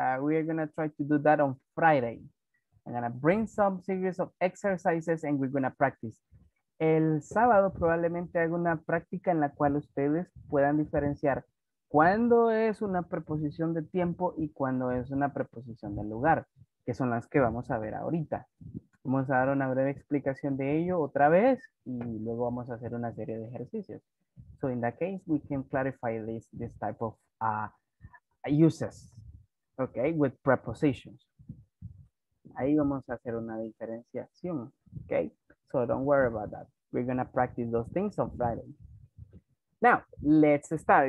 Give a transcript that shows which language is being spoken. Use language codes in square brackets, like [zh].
[en] We are going to try to do that on Friday. I'm going to bring some series of exercises and we're going to practice. [es] El sábado probablemente haga una práctica en la cual ustedes puedan diferenciar cuándo es una preposición de tiempo y cuándo es una preposición de lugar, que son las que vamos a ver ahorita. Vamos a dar una breve explicación de ello otra vez y luego vamos a hacer una serie de ejercicios. [en] So in that case, we can clarify this type of uses, okay, with prepositions. [es] Ahí vamos a hacer una diferenciación, okay? [en] So don't worry about that. We're gonna practice those things on Friday. Now, let's start.